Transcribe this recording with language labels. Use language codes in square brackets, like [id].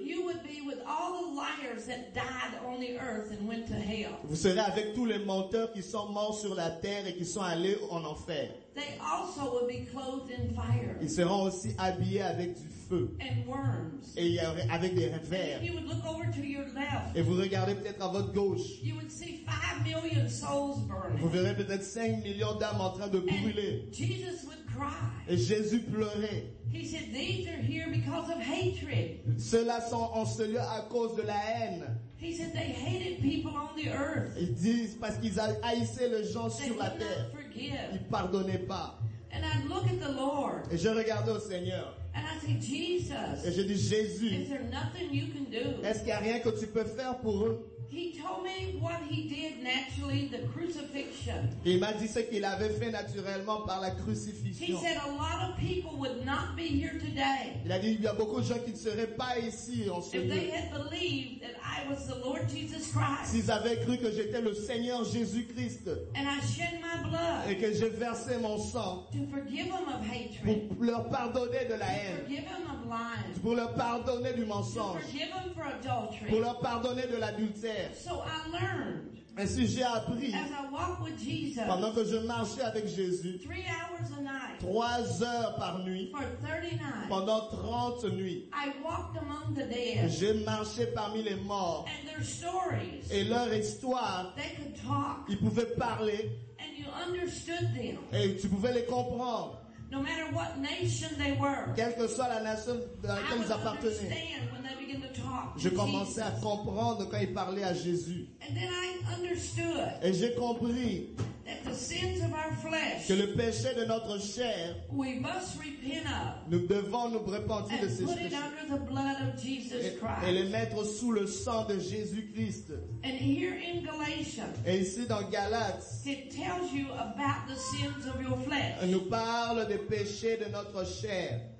[en] You would be with all the liars that died on the earth and went to hell. [fr] Vous serez avec tous les menteurs qui sont morts sur la terre et qui sont allés en enfer. [en] They also would be clothed in fire. [fr] Ils seront aussi habillés avec du feu. [en] And worms. [fr] Et avec des vers. [en] And you would look over to your left. [fr] Et vous regardez peut-être à votre gauche. [en] You would see 5 million souls burning. [fr] Vous verrez peut-être 5 millions d'âmes en train de brûler. [en] And Jesus would cry. [fr] Et Jésus pleurait. [en] He said, "These are here because of hatred." [fr] Ceux-là sont en ce lieu à cause de la haine. [en] He said they hated people on the earth. [fr] Ils disent parce qu'ils haïssaient les gens sur la terre. Ils pardonnaient pas. [en] And I look at the Lord. [fr] Et je regardais au Seigneur. [en] And I say, Jesus. [fr] Et je dis Jésus. [en] Is there nothing you can do? [fr] Est-ce qu'il y a rien que tu peux faire pour eux? [en] He told me what he did naturally, the crucifixion. [fr] Il m'a dit ce qu'il avait fait naturellement par la crucifixion. [en] He said a lot of people would not be here today. [fr] Il a dit il y a beaucoup de gens qui ne seraient pas ici en ce lieu. [en] If they had believed that I was the Lord Jesus Christ. [fr] S'ils avaient cru que j'étais le Seigneur Jésus Christ. [en] And I shed my blood. [fr] Et que j'ai versé mon sang. [en] To forgive them of hatred. [fr] Pour leur pardonner de la haine. [en] To forgive them of lies. [fr] Pour leur pardonner du mensonge. [en] To forgive them for adultery. [fr] Pour leur pardonner de l'adultère. [en] So I learned. [fr] Ainsi j'ai appris. [en] As I walked with Jesus. [fr] Pendant que je marchais avec Jésus. [en] 3 hours a night. [fr] 3 heures par nuit. [en] For 30 nights. [fr] Pendant 30 nuits. [en] I walked among the dead. [fr] J'ai marché parmi les morts. [en] And their stories. [fr] Et leur histoire. [en] They could talk. [fr] Ils pouvaient parler. [en] And you understood them. [fr] Et tu pouvais les comprendre. [en] No matter what nation they were. [fr] Quelle que soit la nation à laquelle ils appartenaient. Je commençais à comprendre quand il parlait à Jésus. [en] And then I understood. [fr] Et j'ai compris. [en] That the sins of our flesh. [fr] Que le péché de notre chair. [en] We must repent of. [fr] Nous devons nous repentir de ces péchés. [en] And put it under the blood of Jesus Christ. [fr] Et les mettre sous le sang de Jésus Christ. [en] And here in Galatians. [fr] Et ici dans Galates. [en] It tells you about the sins of your flesh. [fr] Il nous parle des péchés de notre chair.